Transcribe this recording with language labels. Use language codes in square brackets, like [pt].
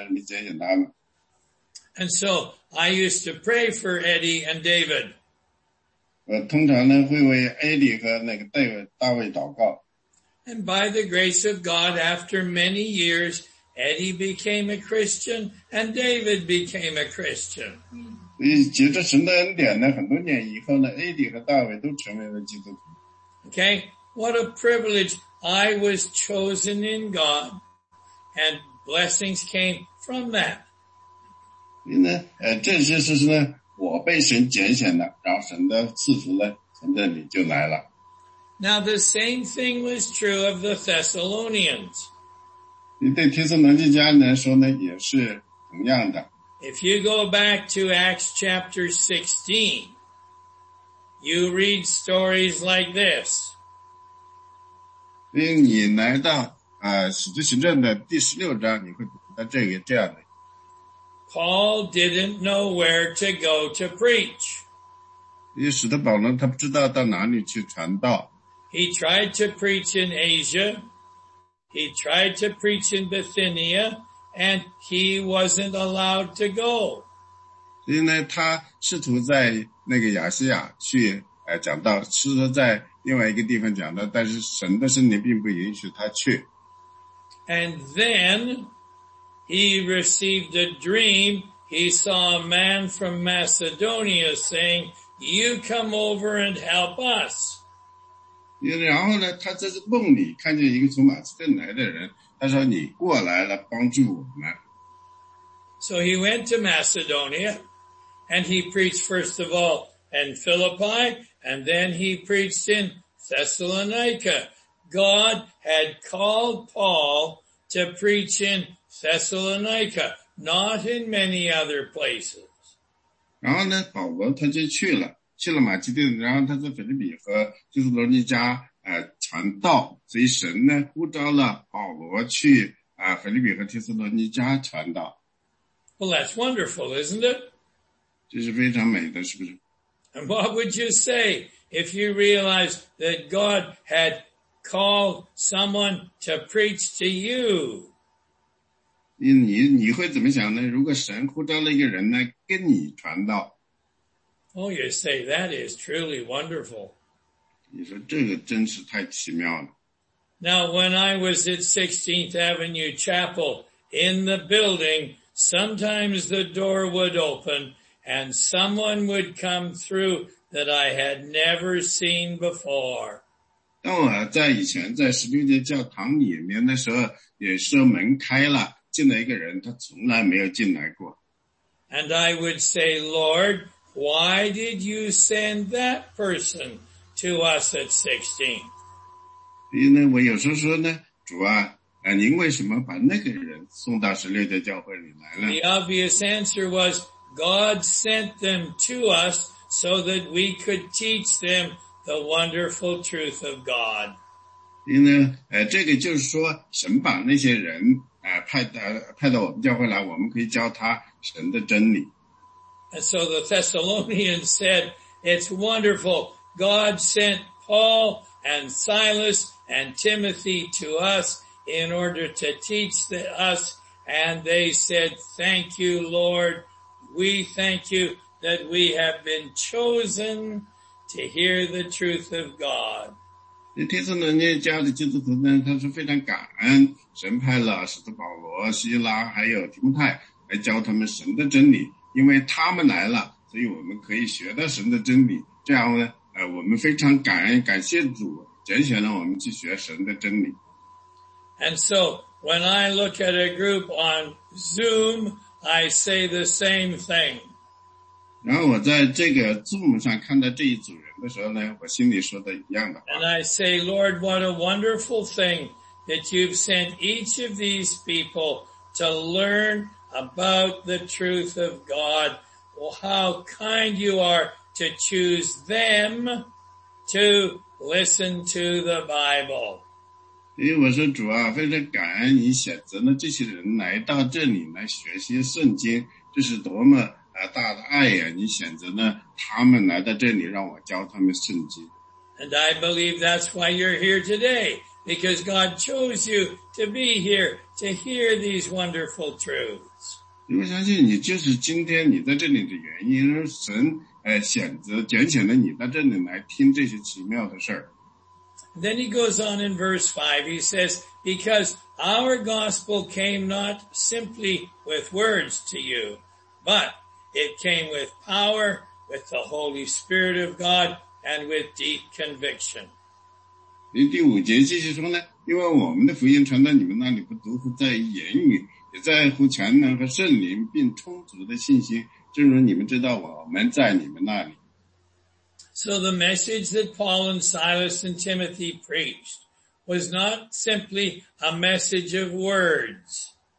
[zh] 所以呢,我知道,我就说呢,感谢主啊,感谢主你拣选了我,但是你拣选他们。 [en] And so, I used to pray for Eddie and David. [zh] 通常呢,会为Eddie和那个大卫祷告。 [en] And by the grace of God, after many years, Eddie became a Christian, and David became a Christian. [zh] 所以,接着神的恩典呢,很多年以后呢,Eddie和大卫都成为了基督徒。 [en] Okay, what a privilege. I was chosen in God, and blessings came from that. [zh] 这就是呢,我被神拣选了,然后神的赐福呢,从这里就来了。 [en] Now the same thing was true of the Thessalonians. [zh] 你对帖撒罗尼迦人说呢，也是同样的。 [en] If you go back to Acts chapter 16, you read stories like this. [zh] 所以你来到使徒行传的第十六章，你会读到这个这样的。 [en] Paul didn't know where to go to preach. [zh] 因为使徒保罗他不知道到哪里去传道。 [en] He tried to preach in Asia. He tried to preach in Bithynia, and he wasn't allowed to go. [zh] 所以呢，他试图在那个亚细亚去讲道，试图在另外一个地方讲道，但是神的圣灵并不允许他去。 [en] And then he received a dream. He saw a man from Macedonia saying, "You come over and help us." [zh] 然后呢，他在这梦里看见一个从马其顿来的人，他说：“你过来了，帮助我们。” [en] So he went to Macedonia, and he preached first of all in Philippi, and then he preached in Thessalonica. God had called Paul to preach in Thessalonica, not in many other places. [zh] 然后呢，保罗他就去了，去了马其顿，然后他在腓立比和就是罗尼家传道，所以神呢呼召了保罗去腓立比和提斯罗尼家传道。 [en] Well, that's wonderful, isn't it? [zh] 这是非常美的，是不是？ [en] And what would you say if you realized that God had called someone to preach to you? [zh] 你会怎么想呢？如果神呼召了一个人呢，跟你传道？ [en] Oh, you say that is truly wonderful. [zh] 你说这个真是太奇妙了。 [en] Now, when I was at 16th Avenue Chapel in the building, sometimes the door would open and someone would come through that I had never seen before. [zh] 当我在以前在十六届教堂里面的时候，有时候门开了，进来一个人，他从来没有进来过。 [en] And I would say, Lord, why did you send that person? To us at 16. [zh] 因为我有时候说呢，主啊，您为什么把那个人送到十六届教会里来了？ [en] The obvious answer was God sent them to us so that we could teach them the wonderful truth of God. [zh] 因为这个就是说，神把那些人派到我们教会来，我们可以教他神的真理。 [en] And so the Thessalonians said, "It's wonderful." God sent Paul and Silas and Timothy to us in order to teach us, and they said, "Thank you, Lord. We thank you that we have been chosen to hear the truth of God." [zh] 帖撒罗尼迦的基督徒呢，他是非常感恩神派了使徒保罗、希拉还有提摩太来教他们神的真理，因为他们来了，所以我们可以学到神的真理。这样呢？我们非常感恩，感谢主拣选了我们去学神的真理。 [en] And so, when I look at a group on Zoom, I say the same thing. [zh] 然后我在这个 Zoom 上看到这一组人的时候呢，我心里说的一样的话。 [en] And I say, Lord, what a wonderful thing that you've sent each of these people to learn about the truth of God. Well, how kind you are. To choose them to listen to the Bible. [zh] 因为我说主啊，非常感恩你选择了这些人来到这里来学习圣经，这是多么大的爱呀！你选择了他们来到这里，让我教他们圣经。 [en] And I believe that's why you're here today, because God chose you to be here to hear these wonderful truths. [zh] 因为我相信你就是今天你在这里的原因，因为神。拣选了你到这里来听这些奇妙的事儿。 [en] Then he goes on in verse 5, he says, Because our gospel came not simply with words to you, but it came with power, with the Holy Spirit of God, and with deep conviction. [zh] 第五节继续说呢，因为我们的福音传到你们那里，不独乎在言语，也在乎全能和圣灵，并充足的信心。正如你们知道，我们在你们那里。 [en] So the message that Paul and Silas and Timothy preached was not simply a message of words.